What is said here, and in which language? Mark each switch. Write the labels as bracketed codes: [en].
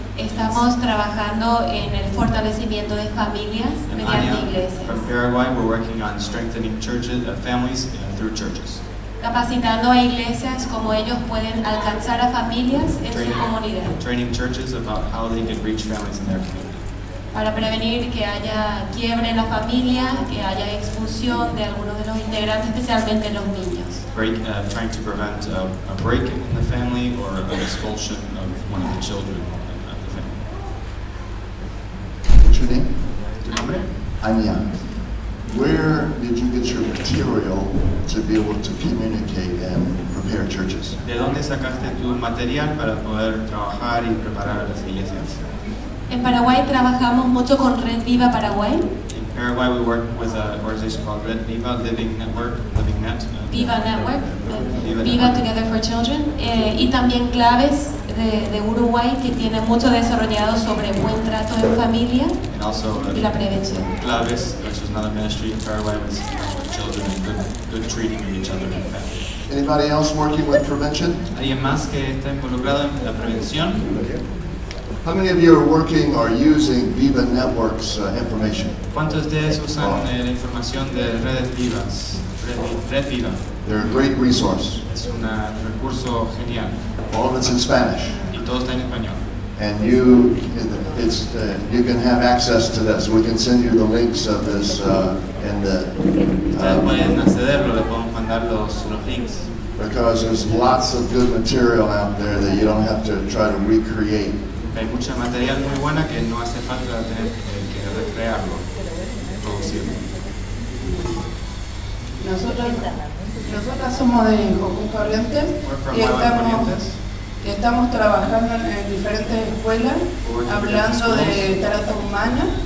[es] Estamos trabajando en el fortalecimiento de familias mediante iglesias. [en] From Paraguay, we're working on strengthening churches, families through churches. [es] Capacitando a iglesias como ellos pueden alcanzar a familias en su comunidad. [en] Training churches about how they can reach families in their community. [es] Para prevenir que haya quiebre en la familia, que haya expulsión de algunos de los integrantes, especialmente los niños. [en] Trying to prevent a break in the family or an expulsion of one of the children of the family. What's your name? Your [es] nombre? [en] Anya. Where did you get your material to be able to communicate and prepare churches? [es] ¿De dónde sacaste tu material para poder trabajar y preparar las iglesias? En Paraguay trabajamos mucho con Red Viva Paraguay. [en] In Paraguay we work with an organization called Red Viva Living Network, Living Net. [es] Viva Network, Viva Together for Children, y también Claves de Uruguay, que tiene mucho desarrollado sobre buen trato en familia [en] also, [es] y la prevención. [en] Claves, which is another ministry in Paraguay, with children and good treating of each other and family. Anybody else working with prevention? [es] ¿Alguien más que está involucrado en la prevención? [en] How many of you are working or using Viva Network's information? [es] ¿Cuántos de ustedes usan la información de redes vivas? Red Viva. [en] They're a great resource. [es] Es un recurso genial. [en] All of it's in Spanish. [es] Y todo está en español. [en] And you, it's you can have access to this. We can send you the links of this and the. [es] Ustedes pueden accederlo. Le podemos mandar los links. [en] Because there's lots of good material out there that you don't have to try to recreate. [es] Hay mucho material muy bueno que no hace falta tener que recrearlo, producirlo. Nosotras somos de Jocum Corrientes y estamos trabajando en diferentes escuelas hablando de trata humana